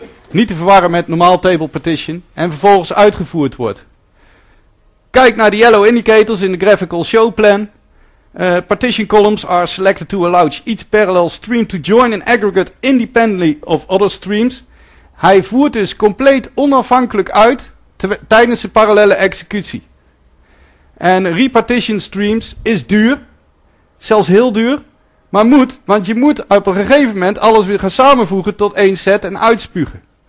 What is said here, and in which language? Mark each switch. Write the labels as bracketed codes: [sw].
[nl] Niet te verwarren met normaal table partition. En vervolgens uitgevoerd wordt. Kijk naar de yellow indicators in de graphical show plan. [en] Partition columns are selected to allow each parallel stream to join in aggregate independently of other streams. [nl] Hij voert dus compleet onafhankelijk uit tijdens de parallele executie. En repartition streams is duur. Zelfs heel duur. Maar moet, want je moet op een gegeven moment alles weer gaan samenvoegen tot één set en uitspugen.